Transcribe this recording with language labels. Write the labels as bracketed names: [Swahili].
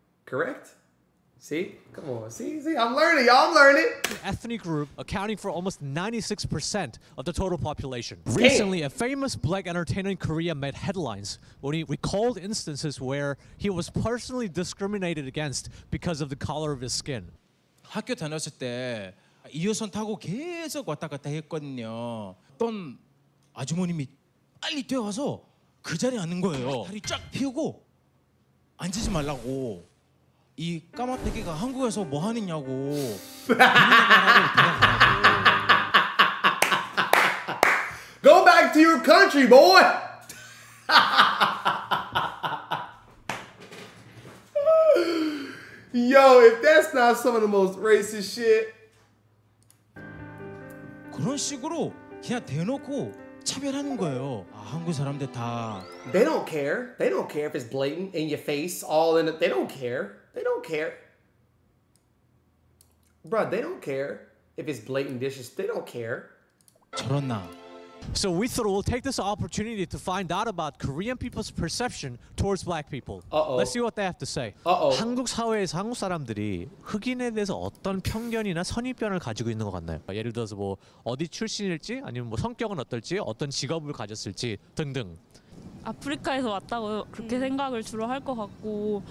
[English] Correct? See? Come on. See? I'm learning, y'all. I'm learning. Ethnic group accounting for almost 96% of the total population. Damn. Recently, a famous black entertainer in Korea made headlines when he recalled instances where he was personally discriminated against because of the color of his skin. [Korean] 학교 다녔을 때 2호선 타고 계속 왔다 갔다 했거든요. 어떤 아주머님이 빨리 뛰어와서 그 자리에 앉는 거예요. 다리 쫙 펴고 앉지 말라고. 이 까마득이가 한국에서 뭐 하느냐고. 하느냐고. [English] Go back to your country, boy. Yo, if that's not some of the most racist shit. [Korean] 그런 식으로 그냥 대놓고 차별하는 거예요. 아, 한국 사람들 다. [English] They don't care. They don't care if it's blatant in your face, all in it. They don't care. They don't care. Bruh, they don't care if it's blatant dishes. They don't care. [Korean] 저런나. [English] So we thought we'll take this opportunity to find out about Korean people's perception towards black people. Uh-oh. Let's see what they have to say. Uh-oh. [Korean] 한국 사회에서 한국 사람들이 흑인에 대해서 어떤 편견이나 선입견을 가지고 있는 것 같나요? 예를 들어서 뭐 어디 출신일지 아니면 뭐 성격은 어떨지 어떤 직업을 가졌을지 등등. 아프리카에서 왔다고 그렇게 생각을 주로 할 것 같고